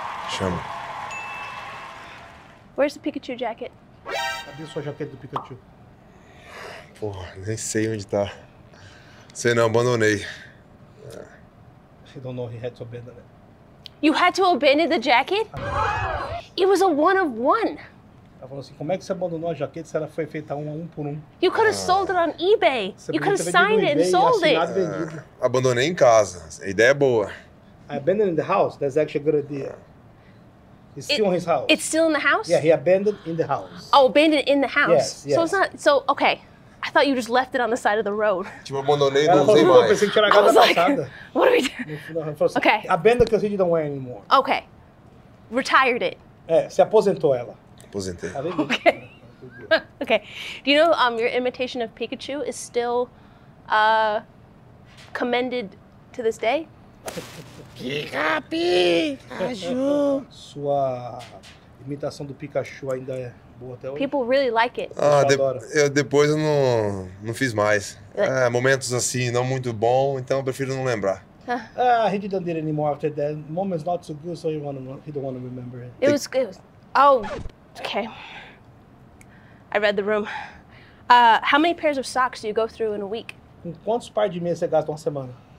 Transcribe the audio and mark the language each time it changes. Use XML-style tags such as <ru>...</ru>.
<en>Shama. Where's the Pikachu jacket?</en> <pt>Cadê sua jaqueta do Pikachu? Porra, nem sei onde tá. Sei não, abandonei.</pt> <en>I don't know, he had to abandon it. You had to abandon the jacket? It was a one of one.</en> <pt>Ela falou assim, como é que você abandonou a jaqueta se ela foi feita um por um?</pt> <en>You could have sold it on eBay.</en> <pt>Você</pt> <en>you could have signed it and sold it.</en> <pt>Abandonei em casa. A ideia é boa.</pt> <en>I abandoned in the house. That's actually a good idea. It's still in his house. It's still in the house? Yeah, he abandoned in the house. Oh, abandoned in the house. Yes, yes. So it's not, so, okay. I thought you just left it on the side of the road.</en> <pt>Tipo, abandonei, não usei mais.</pt> <en>I was like, what are we doing? Okay. Abandoned because he didn't wear anymore. Okay. Retired it.</en> <pt>É, se aposentou ela. Aposentei. Okay. Okay.</pt> <en>Do you know your imitation of Pikachu is still commended to this day? Pika Pikachu!</en> <pt>Sua imitação do Pikachu ainda é boa até hoje?</pt> <en>People really like it.</en> <pt>Ah, depois eu não fiz mais. Like, momentos assim, não muito bom, então eu prefiro não lembrar.</pt> <en>He didn't do it anymore after that. Moments not so good, so he don't want to remember it. It was good. Oh, okay. I read the room. How many pairs of socks do you go through in a week?</en> <pt>Quantos pares de meias você gasta uma semana?</pt>